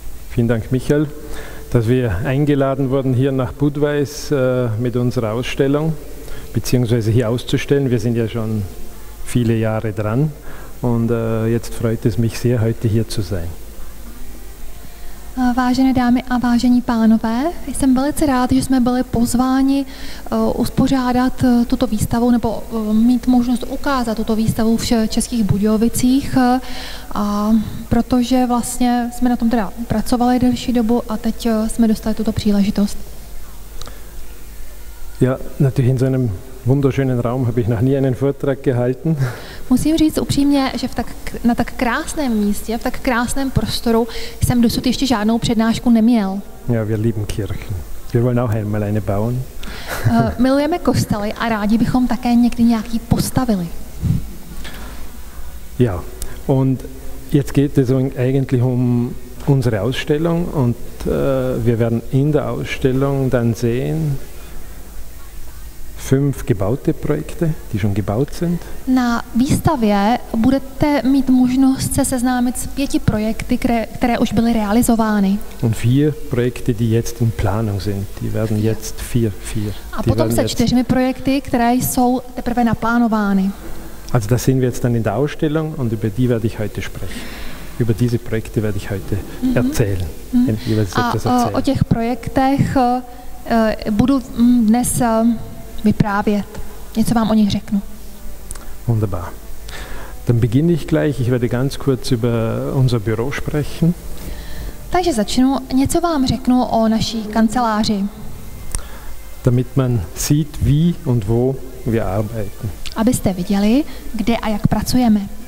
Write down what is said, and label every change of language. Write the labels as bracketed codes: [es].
[de] Vielen Dank, Michael, dass wir eingeladen wurden, hier nach Budweis mit unserer Ausstellung, beziehungsweise hier auszustellen. Wir sind ja schon viele Jahre dran und jetzt freut es mich sehr, heute hier zu sein. [cs] Vážené dámy a vážení pánové, jsem velice rád, že jsme byli pozváni uspořádat tuto výstavu nebo mít možnost ukázat tuto výstavu v Českých Budějovicích, protože vlastně jsme na tom teda pracovali delší dobu a teď jsme dostali tuto příležitost. [de] Ja, natürlich in seinem wunderschönen Raum habe ich noch nie einen Vortrag gehalten. [cs] Musím říct upřímně, že na tak krásném místě, v tak krásném prostoru jsem dosud ještě žádnou přednášku neměl. [de] Ja, wir lieben Kirchen. Wir wollen auch einmal eine bauen. [cs] Milujeme kostely a rádi bychom také někdy nějaký postavili. [de] Ja, und jetzt geht es eigentlich um unsere Ausstellung und wir werden in der Ausstellung dann sehen, 5 gebaute Projekte, die schon gebaut sind. [cs] Na výstavě budete mít možnost se seznámit s 5 projekty, které už byly realizovány. [de] Und 4 Projekte, die jetzt in Planung sind. Die werden jetzt 4. [cs] A potom se 4 projekty, které jsou teprve naplánovány. [de] Also das sehen wir jetzt dann in der Ausstellung und über die werde ich heute sprechen. Über diese Projekte werde ich heute erzählen. [cs] O těch projektech budu dnes vyprávět. Něco vám o nich řeknu. [de] Wunderbar. Dann beginne ich gleich. Ich werde ganz kurz über unser Büro sprechen. [cs] Takže začnu. Něco vám řeknu o naší kanceláři. [de] Damit man sieht, wie und wo wir arbeiten. [cs] Abyste viděli, kde a jak pracujeme.